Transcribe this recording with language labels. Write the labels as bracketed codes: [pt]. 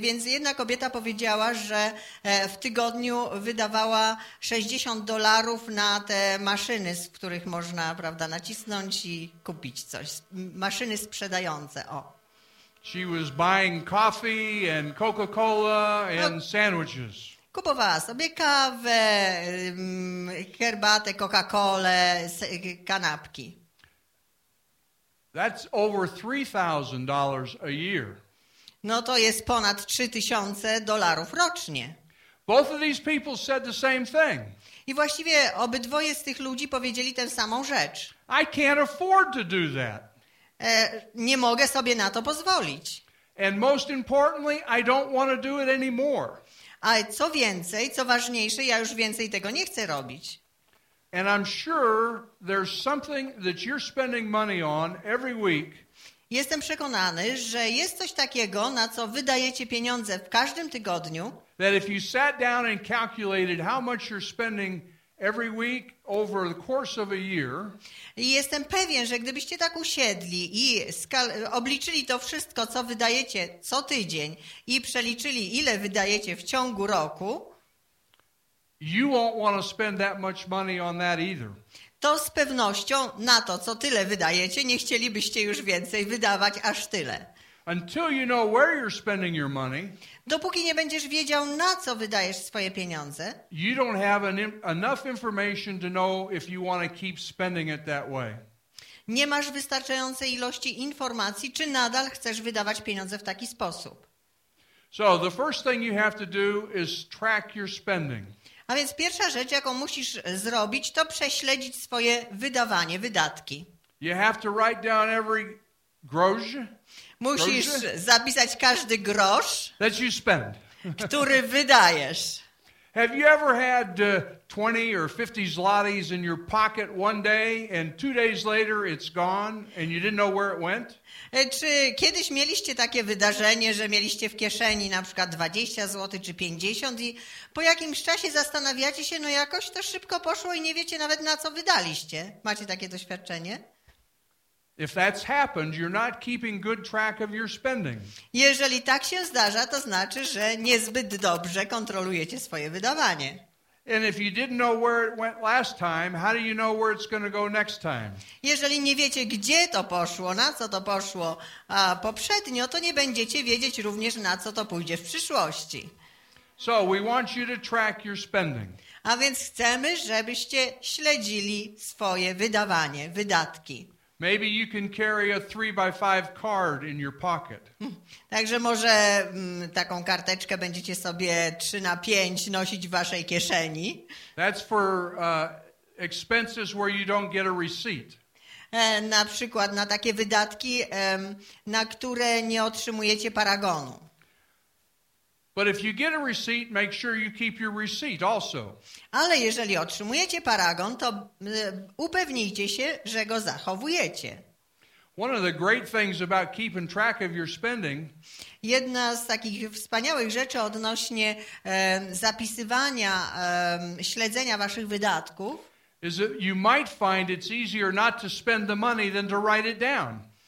[pl] Więc jedna kobieta powiedziała, że w tygodniu wydawała $60 na te maszyny, z których można, prawda, nacisnąć i kupić coś. Maszyny sprzedające, o. [en] She was buying coffee and Coca-Cola and sandwiches. [pl] Kupowała sobie kawę, herbatę, Coca-Colę, kanapki. [en] That's over $3,000 a year. [pl] No to jest ponad 3000 dolarów rocznie. [en] Both of these people said the same thing. [pl] I właściwie obydwoje z tych ludzi powiedzieli tę samą rzecz. [en] I can't afford to do that. [pl] Nie mogę sobie na to pozwolić. [en] And most importantly, I don't want to do it anymore. [pl] A co więcej, co ważniejsze, ja już więcej tego nie chcę robić. [en] And I'm sure there's something that you're spending money on every week. [pl] Jestem przekonany, że jest coś takiego, na co wydajecie pieniądze w każdym tygodniu. [en] That if you sat down and calculated how much you're spending every week over the course of a year. [pl] I jestem pewien, że gdybyście tak usiedli i obliczyli to wszystko, co wydajecie co tydzień i przeliczyli, ile wydajecie w ciągu roku, [en] you won't want to spend that much money on that either. [pl] To z pewnością na to, co tyle wydajecie, nie chcielibyście już więcej wydawać aż tyle. [en] Until you know where you're spending your money, [pl] dopóki nie będziesz wiedział, na co wydajesz swoje pieniądze, [en] you don't have enough information to know if you want to keep spending it that way. [pl] Nie masz wystarczającej ilości informacji, czy nadal chcesz wydawać pieniądze w taki sposób. [en] So the first thing you have to do is track your spending. [pl] A więc pierwsza rzecz, jaką musisz zrobić, to prześledzić swoje wydawanie, wydatki. [en] You have to write down every grosze. [pl] Musisz zapisać każdy grosz, [en] that you spend. [pl] Który wydajesz. [en] Have you ever had 20 or 50 zlotys in your pocket one day and 2 days later it's gone and you didn't know where it went? [pl] Czy kiedyś mieliście takie wydarzenie, że mieliście w kieszeni na przykład 20 zł czy 50 i po jakimś czasie zastanawiacie się, no jakoś to szybko poszło i nie wiecie nawet na co wydaliście? Macie takie doświadczenie? [en] If that's happened, you're not keeping good track of your spending. [pl] Jeżeli tak się zdarza, to znaczy, że niezbyt dobrze kontrolujecie swoje wydawanie. [en] And if you didn't know where it went last time, how do you know where it's going to go next time? [pl] Jeżeli nie wiecie, gdzie to poszło, na co to poszło, a poprzednio, to nie będziecie wiedzieć również, na co to pójdzie w przyszłości. [en] So we want you to track your spending. [pl] A więc chcemy, żebyście śledzili swoje wydawanie, wydatki. [en] Maybe you can carry a 3x5 card in your pocket. [pl] Także może taką karteczkę będziecie sobie 3x5 nosić w waszej kieszeni. [en] That's for expenses where you don't get a receipt. [pl] Na przykład na takie wydatki, na które nie otrzymujecie paragonu. [en] But if you get a receipt, make sure you keep your receipt also. [pl] Ale jeżeli otrzymujecie paragon, to upewnijcie się, że go zachowujecie. [en] One of the great things about keeping track of your spending. [pl] Jedna z takich wspaniałych rzeczy odnośnie zapisywania, śledzenia waszych wydatków. [en] Is that you might find it's easier not to spend the money than to write it down.